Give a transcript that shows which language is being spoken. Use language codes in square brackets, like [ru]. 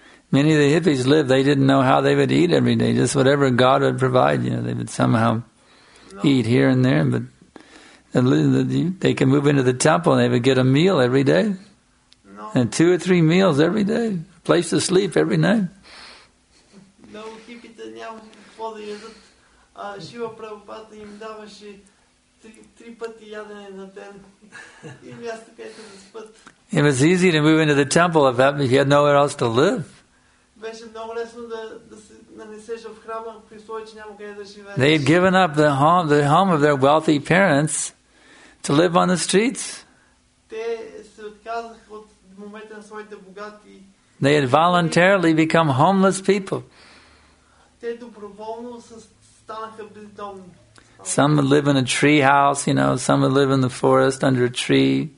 [en] Many of the hippies lived, they didn't know how they would eat every day, just whatever God would provide, you know, they would somehow eat here and there, but they could move into the temple and they would get a meal every day, and two or three meals every day, a place to sleep every night. No hippies didn't have anything to eat. Shiva Prabhupada gave them three times a day, and a place to sleep. It was easy to move into the temple if he had nowhere else to live. [bg] беше много лесно да се нанесеш в храма, при условие, че няма къде да живееш. [en] They'd given up the home of their wealthy parents to live on the streets. [bg] Те се отказаха от момента на своите богати. [en] They had voluntarily become homeless people. [bg] Те доброволно станаха бездомни. [en] Some would live in a tree house, you know, some would live in the forest under a tree.